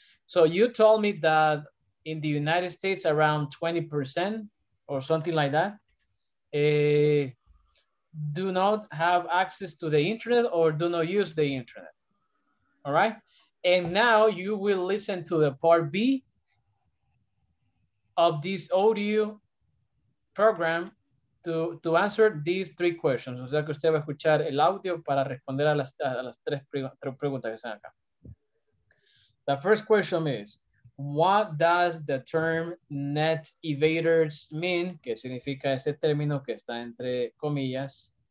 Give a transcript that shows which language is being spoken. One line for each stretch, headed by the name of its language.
English: So you told me that in the United States around 20% or something like that, do not have access to the internet or do not use the internet, all right? And now you will listen to the part B of this audio program to answer these three questions.
Spanish: O sea que usted va a escuchar el audio para responder a las tres preguntas que están acá.
English: The first question is, what does the term net evaders mean?
Spanish: ¿Qué significa ese término que está entre comillas?